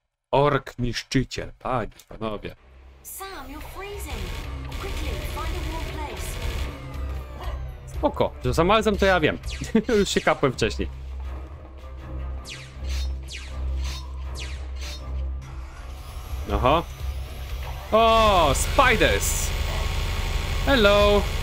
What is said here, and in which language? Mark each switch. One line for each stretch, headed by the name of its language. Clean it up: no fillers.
Polish: Ork niszczyciel, panie, panowie.
English: Sam, you're freezing. Quickly, find a warm place.
Polish: Spoko, że zamarzam, to ja wiem. Już się kapłem wcześniej.
English: Oho. O, spiders! Hello!